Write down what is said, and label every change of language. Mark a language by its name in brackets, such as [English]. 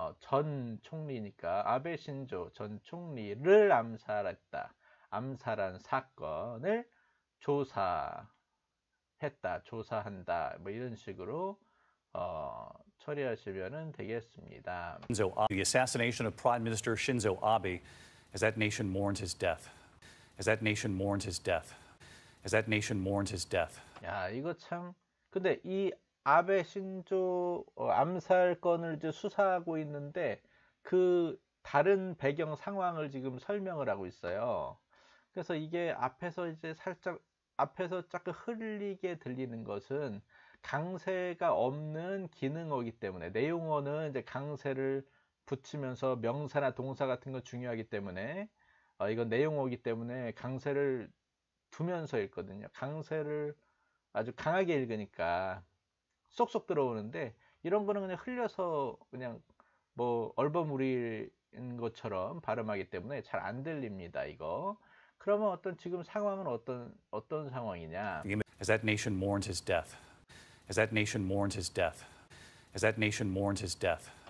[Korean] 전 총리니까 아베 신조 전 총리를 암살한 사건을 조사한다. 뭐 이런 식으로 처리하시면 되겠습니다. [English] The assassination of Prime Minister Shinzo Abe, as that nation mourns his death. As that nation mourns his death. As that nation mourns his death. [Korean] 야, 이거 참. 근데 이 아베 신조 암살 건을 이제 수사하고 있는데 그 다른 배경 상황을 지금 설명을 하고 있어요. 그래서 이게 앞에서 이제 살짝 앞에서 자꾸 흘리게 들리는 것은 강세가 없는 기능어이기 때문에 내용어는 이제 강세를 붙이면서 명사나 동사 같은 거 중요하기 때문에 이건 내용어이기 때문에 강세를 두면서 읽거든요. 강세를 아주 강하게 읽으니까 쏙쏙 들어오는데 이런 거는 그냥 흘려서 그냥 뭐 얼버무리인 것처럼 발음하기 때문에 잘안 들립니다, 이거. 그러면 어떤 지금 상황은 어떤 상황이냐? [English] As that nation mourns his death, as that nation mourns his death, as that nation mourns his death.